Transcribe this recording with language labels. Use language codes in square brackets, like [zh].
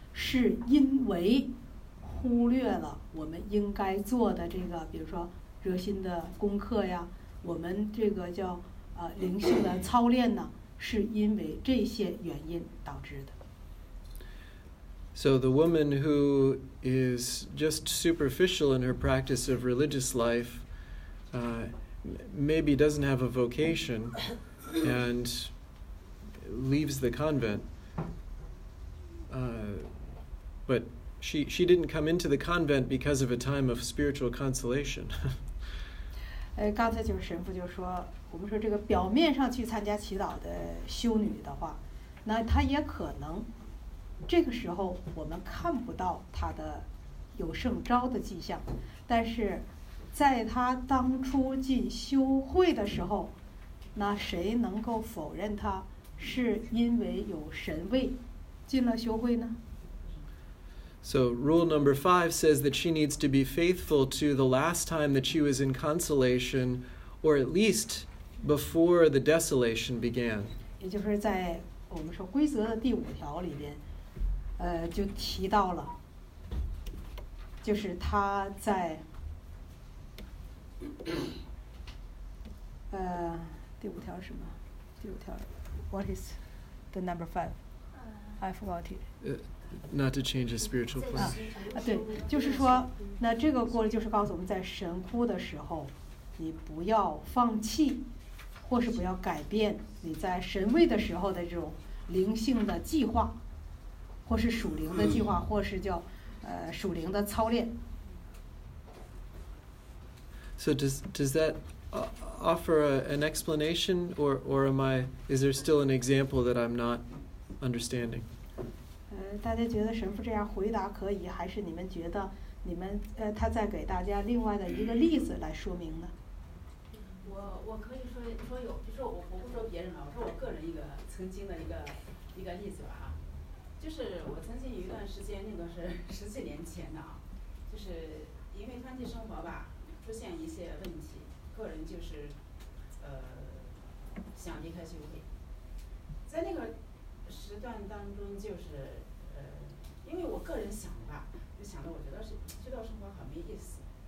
[zh] 我们说心灵的黑暗，那可以是神哭的一个例子。但是呢，神哭，我们就说啊，就是追求天主的人也可能会遇到这个黑暗的过程。但是神哭，通常来说是因为 忽略了我们应该做的这个，比如说热心的功课呀，我们这个叫灵性的操练呢，是因为这些原因导致的。 [en] So the woman who is just superficial in her practice of religious life maybe doesn't have a vocation and leaves the convent. But she didn't come into the convent because of a time of spiritual consolation. [zh] 刚才就是神父就说，我们说这个表面上去参加祈祷的修女的话，那她也可能这个时候我们看不到她的有圣召的迹象，但是在她当初进修会的时候，那谁能够否认她是因为有神位进了修会呢？ [en] So rule number 5 says that she needs to be faithful to the last time that she was in consolation, or at least before the desolation began. [zh] 也就是在我们说规则的第五条里边，就提到了，就是她在第五条什么？第五条 [en] ，What is the number 5? I forgot it. Not to change a spiritual plan. [zh] 啊，对，就是说，那这个过程就是告诉我们在神哭的时候，你不要放弃，或是不要改变你在神位的时候的这种灵性的计划，或是属灵的计划，或是叫属灵的操练。 [en] So does that offer an explanation, or am I, is there still an example that I'm not understanding? [zh] 大家觉得神父这样回答可以，还是你们觉得你们他在给大家另外的一个例子来说明呢？我可以说有，就是我不说别人了，我说我个人一个曾经的一个例子吧哈，就是我曾经有一段时间，那个是十几年前的啊，就是因为团体生活吧，出现一些问题，个人就是想离开教会，在那个时段当中，就是因为我个人想的吧，就想的我觉得是这段生活很没意思。